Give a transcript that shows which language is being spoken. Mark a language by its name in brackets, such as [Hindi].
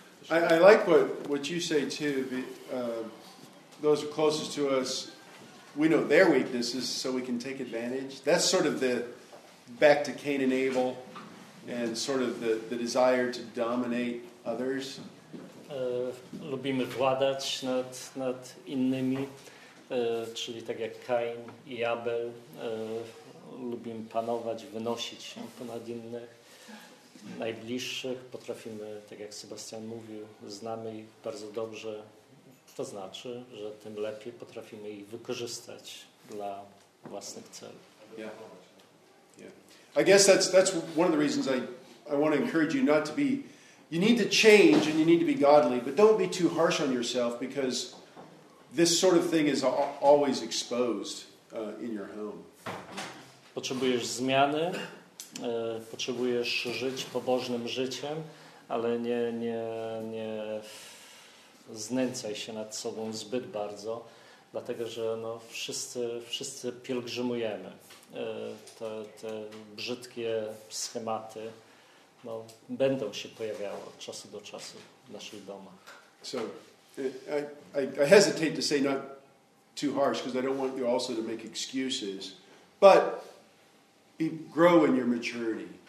[English] I like what you say too. Those closest to us, we know their weaknesses, so we can take advantage. That's sort of the back to Cain and Abel, and sort of the desire to dominate others. [Polish] Lubimy władać nad innymi, czyli tak jak Kain i Abel, lubimy panować, wynosić się ponad innych, najbliższych. Potrafimy, tak jak Sebastian mówił, znamy ich bardzo dobrze. To znaczy, że tym lepiej potrafimy ich wykorzystać dla własnych celów. [English] I guess that's one of the reasons I want to encourage you not to be, you need to change and you need to be godly, but don't be too harsh on yourself because this sort of thing is always exposed in your home. [Polish] Potrzebujesz zmiany, potrzebujesz żyć pobożnym życiem, ale nie znęcaj się nad sobą zbyt bardzo, dlatego że wszyscy pielgrzymujemy. Te brzydkie schematy będą się pojawiały od czasu do czasu w naszych domach. [English] So, I hesitate to say not too harsh because I don't want you also to make excuses, but grow in your maturity.